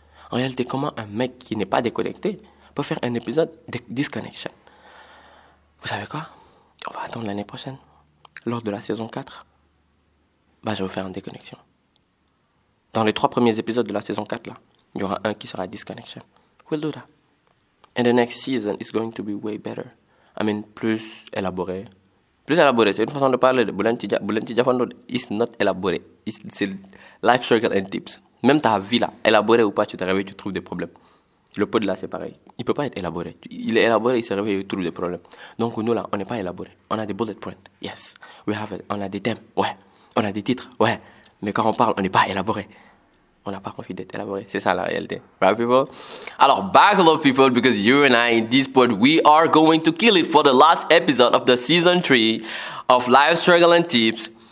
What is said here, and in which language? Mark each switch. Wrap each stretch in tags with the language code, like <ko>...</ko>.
<fr>En réalité, comment un mec qui n'est pas déconnecté peut faire un épisode de disconnection? Vous savez quoi? On va attendre l'année prochaine. Lors de la saison 4, bah, je vais vous faire une déconnexion. Dans les trois premiers épisodes de la saison 4, là, il y aura un qui sera disconnection.</fr> <en>We'll do that. And the next season is going to be way better.</en> <fr>I mean, plus élaboré. Plus élaboré, c'est une façon de parler.</fr> <en>Bulenti Diafando is not élaboré. C'est life struggle and tips.</en> <fr>Même ta vie là, élaborée ou pas, tu te réveilles, tu trouves des problèmes. Le pod là, c'est pareil. Il ne peut pas être élaboré. Il est élaboré, il se réveille, il trouve des problèmes. Donc nous là, on n'est pas élaboré. On a des bullet points. Yes. On a des thèmes. Ouais. On a des titres. Ouais. Mais quand on parle, on n'est pas élaboré. On n'a pas envie d'être élaboré. C'est ça la réalité.</fr> <en>Right, people? Alors, buckle up, people, because you and I, in this point, we are going to kill it for the last episode of the season 3 of Life Struggle and Tips.</en>